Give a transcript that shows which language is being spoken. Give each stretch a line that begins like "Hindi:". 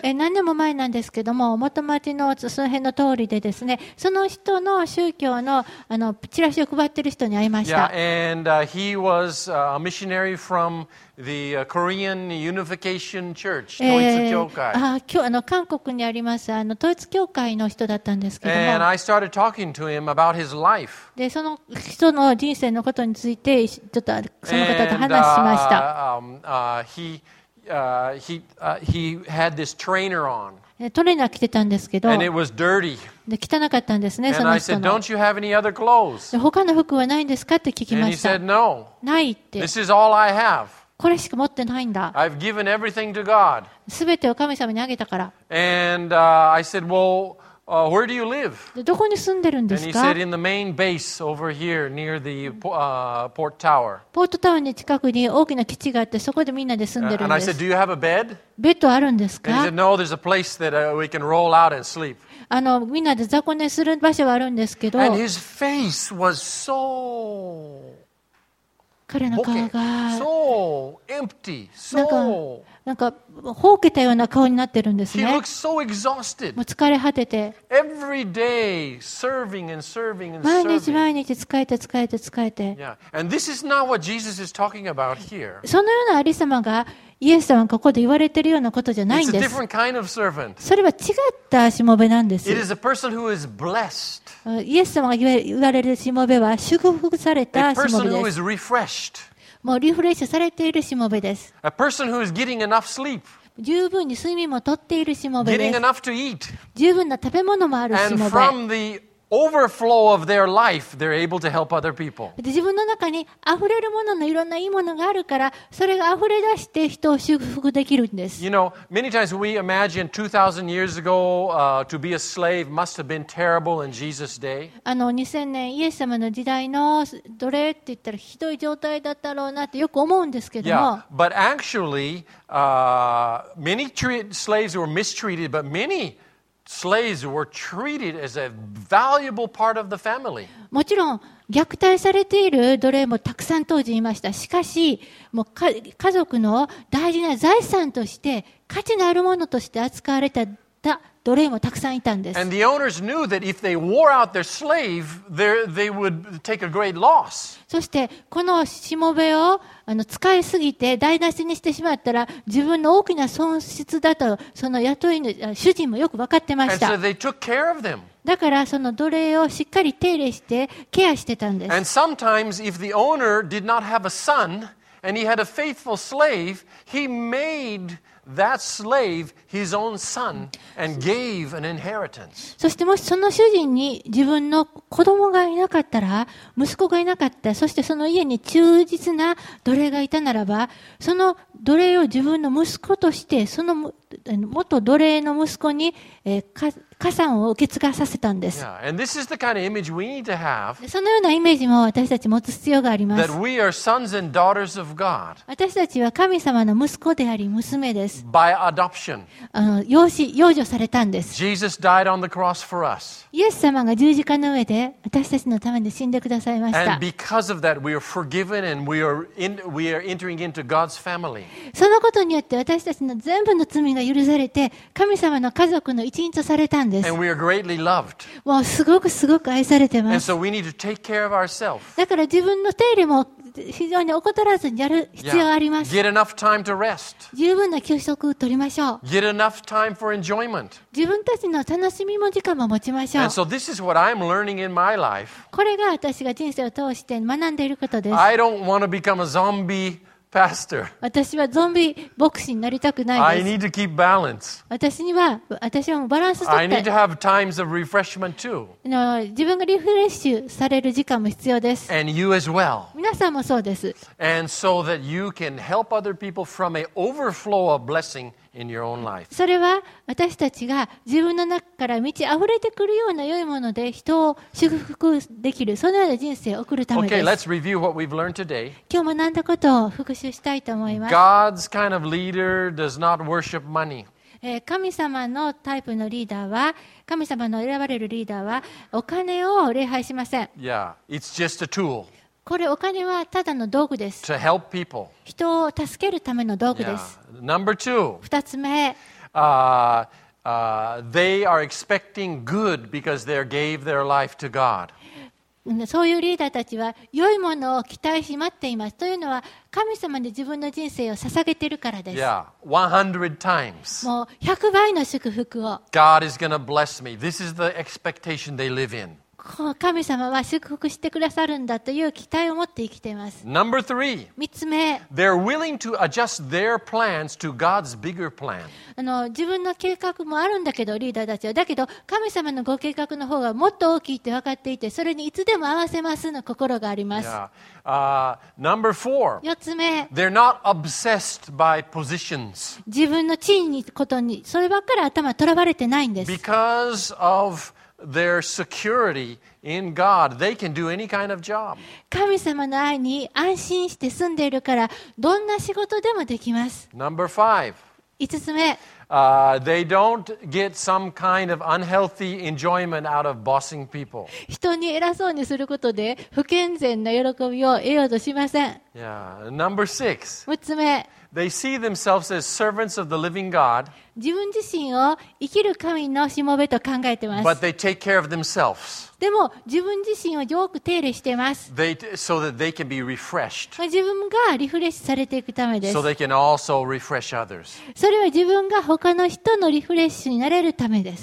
Japanese: 何年も前なんですけども、元町のその辺の通りでですね、その人の宗教のチラシを配ってる人に会いました。
English: Yeah, and he was a missionary from the Korean Unification Church, 統一教会。
Japanese: 韓国にあります統一教会の人だったんですけども。
English: And I started talking to him about his life.
Japanese: で、その人の人生のことについてちょっとその方と話しました。
English: He had this trainer on.
Japanese: トレーナー着てたんですけど。
English: And it was dirty.
Japanese: で汚かったんですね、その人の。
English: And I said, "Don't you have any other clothes?"
Japanese: で他の服はないんですかって聞きました。
English: And he said, "No."
Japanese: ないって。
English: This is all I have.
Japanese: これしか持ってないんだ。
English: I've given everything to God.
Japanese: すべてを神様にあげたから。
English: And I said, "Well, where do you live?"
Japanese: でどこに住んでるんですか。
English: And he said, "In the main base over here near the port tower."
Japanese: ポートタワーに近くに大きな基地があって、そこでみんなで住んでるんです。
English: And I said, "Do you have a bed?"
Japanese: ベッドあるんですか。
English: And he said, "No, there's a place that we can roll out and sleep."
Japanese: みんなで雑魚寝する場所はあるんですけど。
English: And his face was so...
Japanese: 彼の顔が、そう、empty、そう、なんか、ほうけたような顔になってるんですね。
English: He looks so exhausted.
Japanese: もう疲れ果てて。
English: Every day, serving and serving and serving.
Japanese: 毎日毎日使えて使えて使えて。
English: Yeah. And this is not what Jesus is talking about here.
Japanese: そのようなありさまが、イエス様がここで言われてるようなことじゃないんです。
English: It's a different kind of servant.
Japanese: それは違ったしもべなんです。
English: It is a person who is blessed.
Japanese: イエス様が言われるしもべは祝福されたしもべです。
English: A person who is refreshed.
Japanese: もうリフレッシュされているしもべです。
English: A person who is getting enough sleep.
Japanese: 十分に睡眠もとっているしもべです。
English: Getting enough to eat.
Japanese: 十分な食べ物もあるしもべ。
English: And from the overflow of their life, they're able to help other people.
Japanese: で自分の中に溢れるもののいろんないいものがあるから、それが溢れ出して人を祝福できるんです。
English: You know, many times we imagine 2,000 years ago, to be a slave must have been terrible in Jesus' day.
Japanese: 2000年イエス様の時代の奴隷って言ったらひどい状態だったろうなってよく思うんですけども。
English: Yeah, but actually, many slaves were mistreated, but many. Slaves were treated as a valuable part of the family.
Japanese: もちろん虐待されている奴隷もたくさん当時いました。しかし、もう家族の大事な財産として価値のあるものとして扱われた奴隷もたくさんいたんです。
English: And the owners knew that if they wore out their slave, they would take a great loss.
Japanese: そしてこのしもべを使いすぎて台無しにしてしまったら自分の大きな損失だとその雇いの主人もよく分かってました。
English: And so they took care of them.
Japanese: だからその奴隷をしっかり手入れしてケアしてたんです。
English: And sometimes if the owner did not have a son and he had a faithful slave, he made that slave his own son and gave an inheritance.
Japanese: そしてもしその主人に自分の子供がいなかったら、息子がいなかった、そしてその家に忠実な奴隷がいたならば、その奴隷を自分の息子として、その元奴隷の息子に、加算を受け継がさせたんです。
English: Kind of
Japanese: そのようなイメージも私たち持つ必要があります。
English: That we are sons and daughters of God.
Japanese: 私たちは神様の息子であり娘です。
English: By adoption.
Japanese: 養女されたんです。
English: Jesus died on the cross for us.
Japanese: イエス様が十字架の上で私たちのために死んでくださいました。
English: And because of that, we are forgiven and we are entering into God's family.
Japanese: そのことによって私たちの全部の罪が許されて神様の家族の一員とされた。
English: And we are greatly loved.
Japanese: もうすごくすごく愛されてます。
English: And so we need to take care of ourselves.
Japanese: だから自分の手入れも非常に怠らずにやる必要があります。
English: Get enough time to rest.
Japanese: 十分な休息を取りましょう。
English: Get enough time for enjoyment.
Japanese: 自分たちの楽しみも時間も持ちましょう。
English: And so this is what I'm learning in my life.
Japanese: これが私が人生を通して学んでいることです。
English: I don't want to become a zombie.
Japanese: 私はゾンビ牧師になりたくないです。
English: I need to keep balance.
Japanese: 私はバランスを取って。
English: I need to have times of refreshment too.
Japanese: 自分がリフレッシュされる時間も必要です。
English: And you as well.
Japanese: 皆さんもそうです。
English: And so that you can help other people from an overflow of blessing in your own life.
Japanese: それは私たちが自分の中から満ち溢れてくるような良いもので人を祝福できるそのような人生を送るためです。
English: Okay, let's review what we've learned today.
Japanese: 今日学んだことを復習したいと思います。
English: God's kind of leader does not worship money.
Japanese: 神様のタイプのリーダーは神様の選ばれるリーダーはお金を礼拝しません。
English: Yeah, it's just a tool.
Japanese: これお金はただの道具です。
English: To help people.
Japanese: 人を助けるための道具です。
English: Yeah. Number two.
Japanese: 二つ目。
English: They are expecting good because they gave their life to God.
Japanese: そういうリーダーたちは良いものを期待し待っています。というのは神様に自分の人生を捧げているからです。
English: Yeah, 100 times.
Japanese: もう100倍の祝福を。
English: God is going to bless me. This is the expectation they live in.
Japanese: 神様は祝福してくださるんだという期待を持って生きています。
English: Number three.
Japanese: 三つ目。
English: They're willing to adjust their plans to God's bigger plan.
Japanese: 自分の計画もあるんだけど、リーダーたちは。だけど、神様のご計画の方がもっと大きいって分かっていて、それにいつでも合わせますの心があります。
English: Yeah. Number four.
Japanese: 四つ目。
English: They're not obsessed by positions.
Japanese: 自分の地位にことに、そればっかり頭とらわれてないんです。
English: Because ofTheir security in God, they can do any kind of job.
Japanese: 神様の愛に安心して住んでいるから、どんな仕事でもできます。
English: Number five.
Japanese: 五つ目。
English: They don't get some kind of unhealthy enjoyment out of bossing people.
Japanese: 人に偉そうにすることで不健全な喜びを得ようとしません。
English: Yeah. Number six.
Japanese: 六つ目。
English: They see themselves as servants of the living God.
Japanese: 自分自身を生きる神のしもべと考えてます。
English: But they take care of themselves.
Japanese: でも自分自身をよく手入れしてます。
English: They, so that they can be refreshed.
Japanese: 自分がリフレッシュされていくためです。
English: So they can also refresh others.
Japanese: それは自分が他の人のリフレッシュになれるためです。